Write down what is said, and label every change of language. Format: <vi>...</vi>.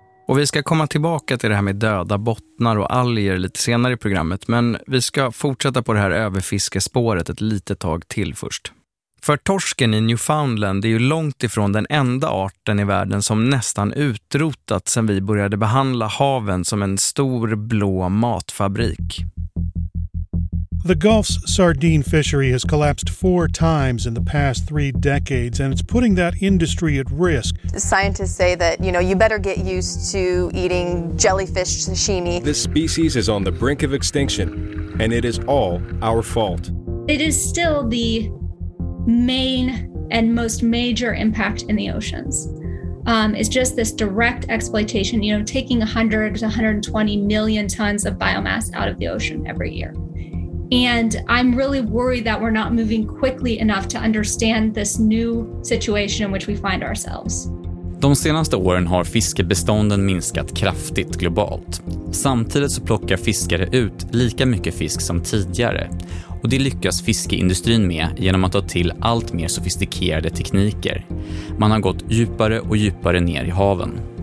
<sv>Och vi ska komma tillbaka till det här med döda bottnar och alger lite senare i programmet, men vi ska fortsätta på det här överfiskespåret ett litet tag till först. För torsken i Newfoundland är ju långt ifrån den enda arten i världen som nästan utrotat sedan vi började behandla haven som en stor blå matfabrik.</sv> <en>The Gulf's sardine fishery has collapsed four times in the past three decades, and it's putting that industry at risk. Scientists say that, you know, you better get used to eating jellyfish sashimi. This species is on the brink of extinction, and it is all our fault. It is still the main and most major impact in the oceans. It's just this direct exploitation, you know, taking 100 to 120 million tons of biomass out of the ocean every year. And I'm really worried that we're not moving quickly enough to understand this new situation in which we find ourselves.</en> <sv>De senaste åren har fiskebestånden minskat kraftigt globalt. Samtidigt så plockar fiskare ut lika mycket fisk som tidigare. Och det lyckas fiskeindustrin med genom att ta till allt mer sofistikerade tekniker. Man har gått djupare och djupare ner i haven.</sv>